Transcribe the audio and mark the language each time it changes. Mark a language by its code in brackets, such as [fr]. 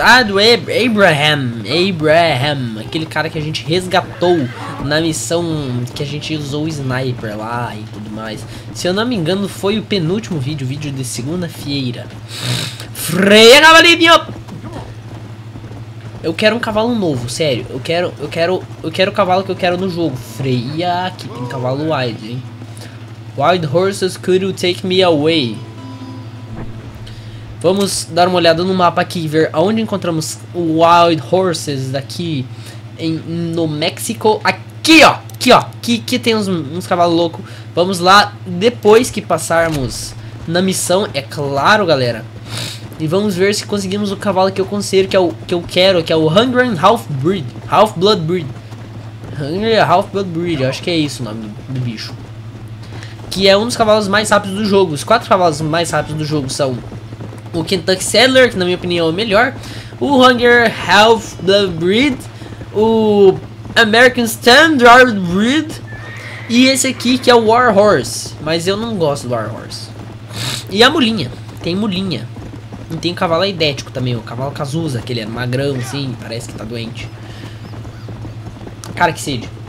[pt] Ah, do Abraham. Abraham. Aquele cara que a gente resgatou na missão que a gente usou o sniper lá e tudo mais. Se eu não me engano, foi o penúltimo vídeo. Vídeo de segunda-feira. Freia, cavalinho! Eu quero um cavalo novo, sério. Eu quero o cavalo que eu quero no jogo. Freia, que tem cavalo wild, hein? [en] Wild horses, could you take me away? [pt] Vamos dar uma olhada no mapa aqui e ver aonde encontramos o Wild Horses daqui em, no México. Aqui, ó. Aqui, ó. Aqui tem uns cavalos loucos. Vamos lá depois que passarmos na missão, é claro, galera. E vamos ver se conseguimos o cavalo que eu considero que é o que eu quero, que é o Hungry Half Breed. Half Blood Breed. Hungry Half Blood Breed. Acho que é isso o nome do bicho. Que é um dos cavalos mais rápidos do jogo. Os quatro cavalos mais rápidos do jogo são... O Kentucky Saddler, que na minha opinião é o melhor. O Hunger Health Blood Breed. O American Standard Breed. E esse aqui, que é o War Horse. Mas eu não gosto do War Horse. E a mulinha. Tem mulinha. E tem o cavalo idético também. O cavalo Cazuza, aquele é magrão, assim. Parece que tá doente. Cara, que sede.